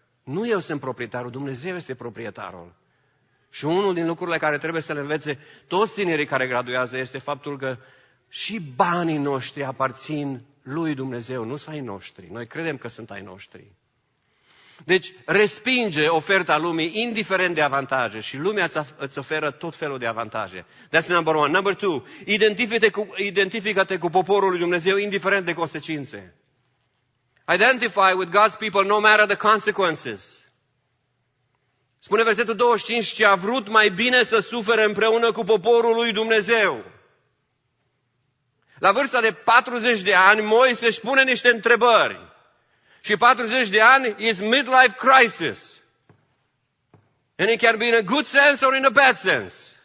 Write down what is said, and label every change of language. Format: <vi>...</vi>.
<ro>Nu eu sunt proprietarul, Dumnezeu este proprietarul. Și unul din lucrurile care trebuie să le învețe toți tinerii care graduează este faptul că și banii noștri aparțin lui Dumnezeu, nu sunt ai noștri. Noi credem că sunt ai noștri. Deci respinge oferta lumii indiferent de avantaje și lumea îți oferă tot felul de avantaje.</ro> <en>That's number one. Number two,</en> <ro>identifică-te cu poporul lui Dumnezeu indiferent de consecințe.</ro> <en>Identify with God's people no matter the consequences.</en> <ro>Spune versetul 25, ce a vrut mai bine să sufere împreună cu poporul lui Dumnezeu. La vârsta de 40 de ani, Moise își pune niște întrebări. Și 40 de ani</ro> <en>is midlife crisis. And it can be in a good sense or in a bad sense.</en>